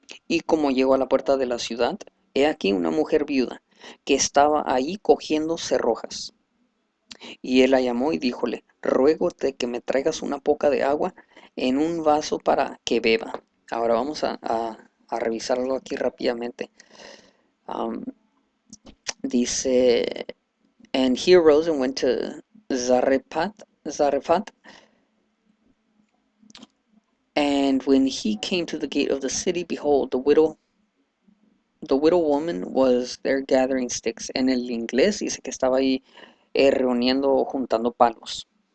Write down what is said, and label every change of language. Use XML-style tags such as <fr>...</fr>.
<es>Y como llegó a la puerta de la ciudad, he aquí una mujer viuda que estaba ahí cogiendo cerrojas. Y él la llamó y díjole: Ruégote que me traigas una poca de agua en un vaso para que beba. Ahora vamos a revisarlo aquí rápidamente. Dice.</es> <en>And he rose and went to Zarephath. And when he came to the gate of the city, behold, the widow woman was there gathering sticks.</en> <es>En el inglés dice que estaba ahí reuniendo o juntando palos.</es>